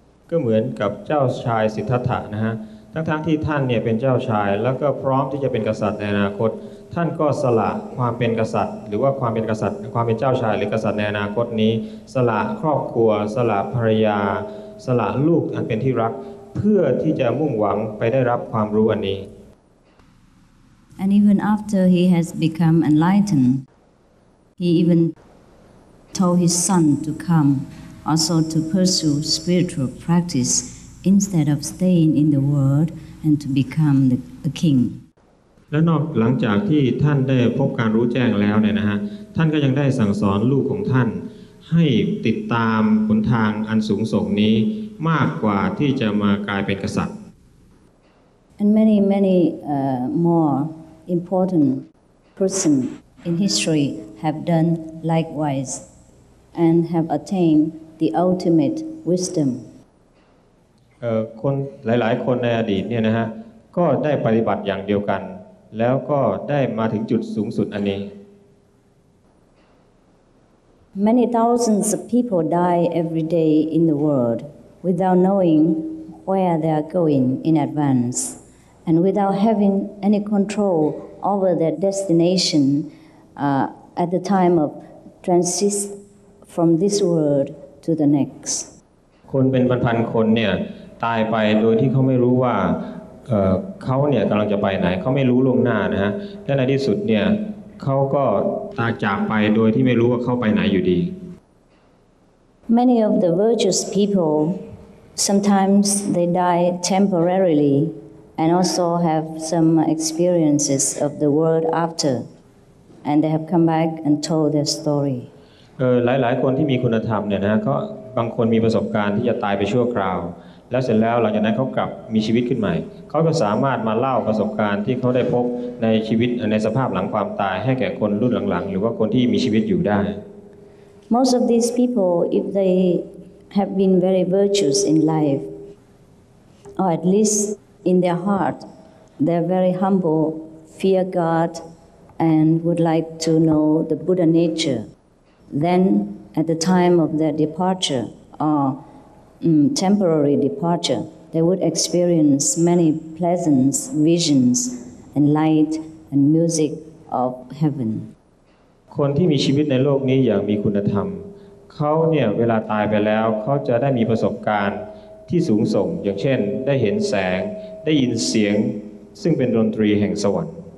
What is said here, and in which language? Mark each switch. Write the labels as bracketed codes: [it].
[th] ก็เหมือนกับเจ้าชายสิทธัตถะนะฮะทั้งที่ท่านเนี่ยเป็นเจ้าชายแล้วก็พร้อมที่จะเป็นกษัตริย์ในอนาคตท่านก็สละความเป็นกษัตริย์หรือว่าความเป็นกษัตริย์ความเป็นเจ้าชายหรือกษัตริย์ในอนาคตนี้สละครอบครัวสละภรรยาสละลูกอันเป็นที่รักเพื่อที่จะมุ่งหวังไปได้รับความรู้อันนี้ [en] And even after he has become enlightened he even told his son to come also to pursue spiritual practiceinstead of staying in the world and to become the king [th] และนอกหลังจากที่ท่านได้พบการรู้แจ้งแล้วเนี่ยนะฮะท่านก็ยังได้สั่งสอนลูกของท่านให้ติดตามหนทางอันสูงส่งนี้มากกว่าที่จะมากลายเป็นกษัตริย์ [en] and many many more important person in history have done likewise and have attained the ultimate wisdom [th] คนหลายๆคนในอดีตเนี่ยนะฮะก็ได้ปฏิบัติอย่างเดียวกันแล้วก็ได้มาถึงจุดสูงสุดอันนี้ [en] Many thousands of people die every day in the world without knowing where they are going in advance and without having any control over their destination at the time of transit from this world to the next [th] คนเป็นพันๆคนเนี่ยตายไปโดยที่เขาไม่รู้ว่าเขาเนี่ยกำลังจะไปไหนเขาไม่รู้ล่วงหน้านะฮะและในที่สุดเนี่ยเขาก็ตายจากไปโดยที่ไม่รู้ว่าเขาไปไหนอยู่ดี [en] Many of the virtuous people sometimes they die temporarily and also have some experiences of the world after and they have come back and told their story [th] หลายๆคนที่มีคุณธรรมเนี่ยนะก็บางคนมีประสบการณ์ที่จะตายไปชั่วคราวแล้วเสร็จแล้วหลังจากนั้นเขากลับมีชีวิตขึ้นใหม่เขาก็สามารถมาเล่าประสบการณ์ที่เขาได้พบในชีวิตในสภาพหลังความตายให้แก่คนรุ่นหลังๆหรือว่าคนที่มีชีวิตอยู่ได้ [en] Most of these people if they have been very virtuous in life or at least in their heart they're very humble fear God and would like to know the Buddha nature then at the time of their departure ortemporary departure they would experience many pleasant visions and light and music of heaven [th] คนที่มีชีวิตในโลกนี้อย่างมีคุณธรรมเขาเนี่ยเวลาตายไปแล้วเขาจะได้มีประสบการณ์ที่สูงส่งอย่างเช่นได้เห็นแสงได้ยินเสียงซึ่งเป็นดนตรีแห่งสวรรค์